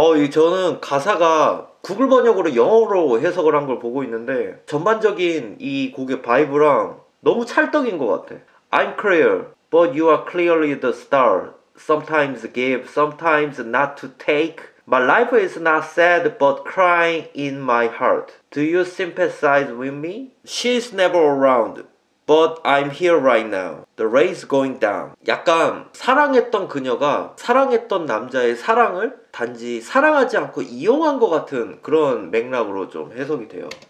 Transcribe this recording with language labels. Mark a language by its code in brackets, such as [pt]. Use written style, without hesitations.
[ko] 저는 가사가 구글 번역으로 영어로 해석을 한 걸 보고 있는데 전반적인 이 곡의 바이브랑 너무 찰떡인 것 같아. [en] I'm clear, but you are clearly the star. Sometimes give, sometimes not to take. My life is not sad, but crying in my heart. Do you sympathize with me? She's never around, but I'm here right now. The rain's going down. [ko] 약간 사랑했던 그녀가 사랑했던 남자의 사랑을 단지 사랑하지 않고 이용한 것 같은 그런 맥락으로 좀 해석이 돼요.